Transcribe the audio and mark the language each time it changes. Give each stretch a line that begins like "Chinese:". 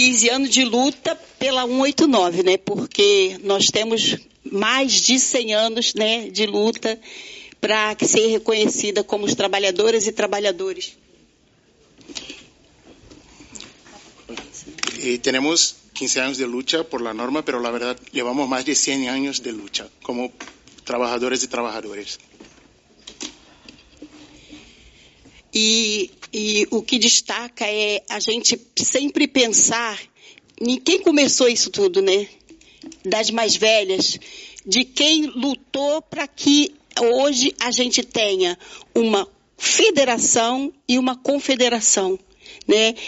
Portuguese: Anos de luta pela 189, né? Porque nós temos mais de 100 anos, né, de luta para ser reconhecida como os trabalhadoras e trabalhadores. E temos 15 anos de luta
Spanish: por la norma, pero la verdad llevamos más de 100 años de lucha como trabajadores y trabajadores.
Portuguese: E o que destaca é a gente sempre pensar em quem começou isso tudo, né? Das mais velhas, de quem lutou para que hoje a gente tenha uma federação e uma confederação, né?